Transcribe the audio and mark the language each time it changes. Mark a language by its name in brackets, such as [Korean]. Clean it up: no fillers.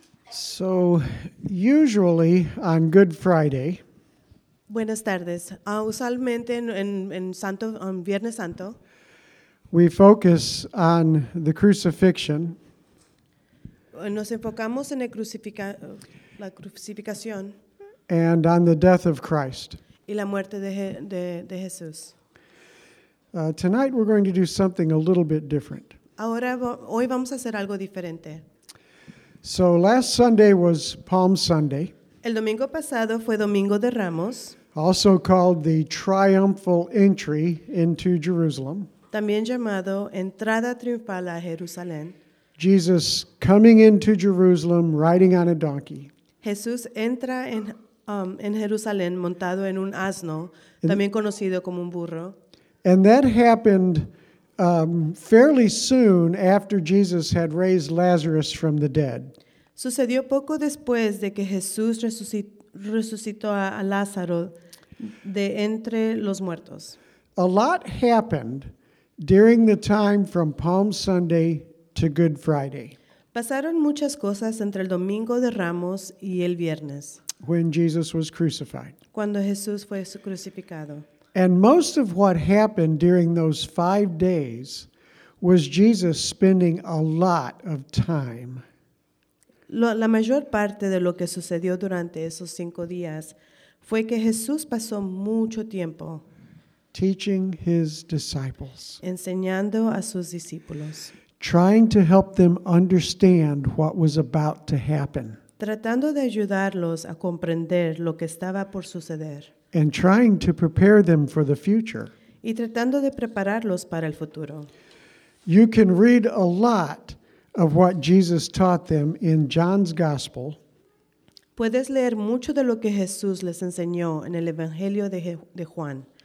[English] So, usually on Good Friday. [Spanish] Buenas tardes. Usualmente en Santo en Viernes Santo. [English] We focus on the crucifixion. [Spanish] Nos enfocamos en la crucificación. [English] And on the death of Christ. [Spanish] Y la muerte de Jesús. [English] Tonight we're going to do something a little bit different. [Spanish] Ahora hoy vamos a hacer algo diferente. [English] So last Sunday was Palm Sunday. [Spanish] El domingo pasado fue Domingo de Ramos. [English] Also called the triumphal entry into Jerusalem. [Spanish] También llamado entrada triunfal a Jerusalén. [English] Jesus coming into Jerusalem riding on a donkey. [Spanish] Jesús entra en Jerusalén montado en un asno, también conocido como un burro. [English] And that happened fairly soon after Jesus had raised Lazarus from the dead. [Spanish] Sucedió poco después de que Jesús resucitó a Lázaro de entre los muertos. [English] A lot happened during the time from Palm Sunday to Good Friday. [Spanish] Pasaron muchas cosas entre el Domingo de Ramos y el Viernes. [English] When Jesus was crucified. [Spanish] Cuando Jesús fue crucificado. [English] And most of what happened during those 5 days was Jesus spending a lot of time. [Spanish] La mayor parte de lo que sucedió durante esos 5 días fue que Jesús pasó mucho tiempo [English] teaching his disciples, [Spanish] enseñando a sus discípulos, [English] trying to help them understand what was about to happen, [Spanish] tratando de ayudarlos a comprender lo que estaba por suceder, [English] and trying to prepare them for the future. [Spanish] Y tratando de prepararlos para el futuro. [English] You can read a lot of what Jesus taught them in John's Gospel. [Spanish] Puedes leer mucho de lo que Jesús les enseñó en el Evangelio de Juan.